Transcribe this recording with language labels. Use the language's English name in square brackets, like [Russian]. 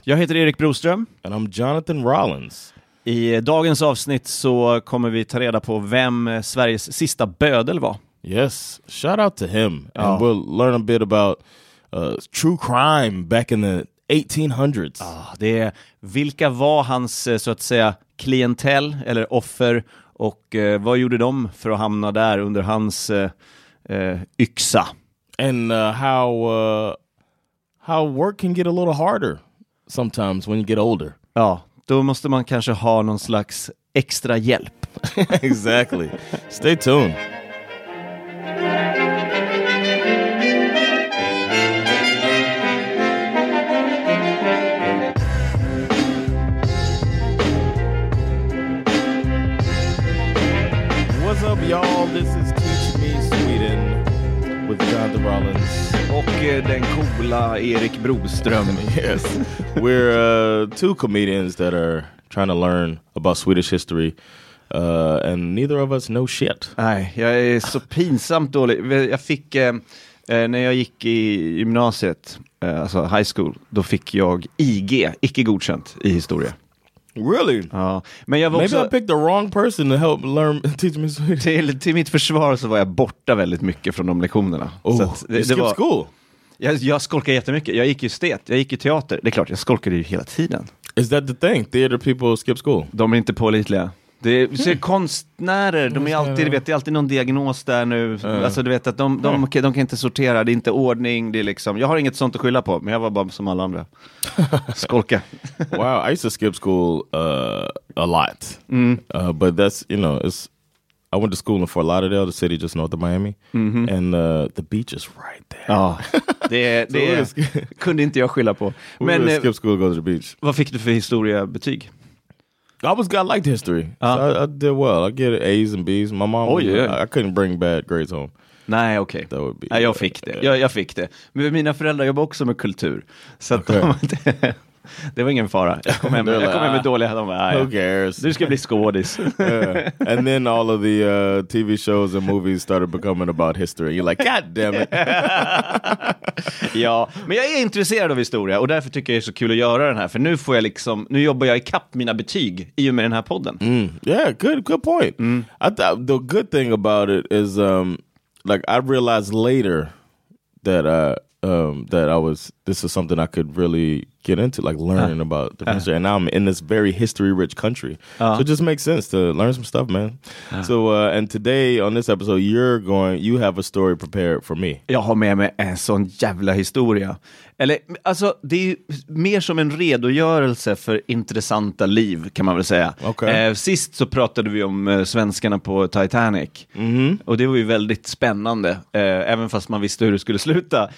[Swedish] Jag heter Erik Broström. [English] And I'm Jonathan Rollins. [Swedish] I dagens avsnitt så kommer vi ta reda på vem Sveriges sista bödel var. [English] Yes, shout out to him. Ja. And we'll learn a bit about true crime back in the 1800s. [Swedish] Ja, det är, vilka var hans så att säga klientell eller offer och vad gjorde de för att hamna där under hans yxa? [English] And how work can get a little harder sometimes when you get older. [Swedish] Ja, då måste man kanske ha någon slags extra hjälp. [English] Exactly. Stay tuned. What's up, y'all? This is Teach Me Sweden with Jonathan Rollins. [Swedish] Och den coola Erik Broström. [English] Yes. We're two comedians that are trying to learn about Swedish history. And neither of us know shit. [Swedish] Nej, jag är så pinsamt dålig. Jag fick, när jag gick i gymnasiet, alltså high school, då fick jag IG, icke godkänt, i historia. [English] Really? [Swedish] Ja. Men jag var [English] maybe [Swedish] också, [English] I picked the wrong person to help learn, teach me Swedish. [Swedish] Till mitt försvar så var jag borta väldigt mycket från de lektionerna. [English] Oh, [Swedish] så att det, [English] you skipped school? [Swedish] Jag skolkade jättemycket. Jag gick ju stet, jag gick ju teater. Det är klart, jag skolkade ju hela tiden. Is that the thing? Theater people skip school? De är inte pålitliga. Det är, så är konstnärer, de är alltid, du vet, det är alltid någon diagnos där nu. Alltså du vet att de kan inte sortera, det är inte ordning, det är liksom, jag har inget sånt att skylla på, men jag var bara som alla andra. Skolka. [English] Wow, I used to skip school a lot. Mm. But that's, you know, it's, I went to school in Fort Lauderdale, the city just north of Miami. Mm-hmm. And the beach is right there. [Swedish] Ja, det är, kunde inte jag skylla på. [English] Men we skip school, go to the beach. [Swedish] Vad fick du för historiebetyg? [English] I liked history. So I did well. I get A's and B's. My mom, I couldn't bring bad grades home. [Swedish] Nej, okej. [English] Okay. That would be. [Swedish] Nej, jag fick det. Jag fick det. Men mina föräldrar jobbar också med kultur. Så okay. Det var ingen fara. Jag kom hem, jag kom hem med dåliga. De bara, [English] who cares? [Swedish] Du ska bli skådis. [English] Yeah. And then all of the TV shows and movies started becoming about history. You're like, god damn it. [Swedish] Ja, men jag är intresserad av historia. Och därför tycker jag det är så kul att göra den här. För nu får jag liksom, nu jobbar jag i kapp mina betyg i och med den här podden. [English] Mm. Yeah, good point. Mm. I thought the good thing about it is like I realized later that that I was, this is something I could really get into, like learning about the history. And now I'm in this very history rich country. So it just makes sense to learn some stuff, man. And today on this episode, you have a story prepared for me. [Swedish] Jag har med mig en sån jävla historia. Eller, alltså, det är mer som en redogörelse för intressanta liv, kan man väl säga. [English] Okay. [Swedish] Sist så pratade vi om svenskarna på Titanic. Mm-hmm. Och det var ju väldigt spännande. Även fast man visste hur det skulle sluta.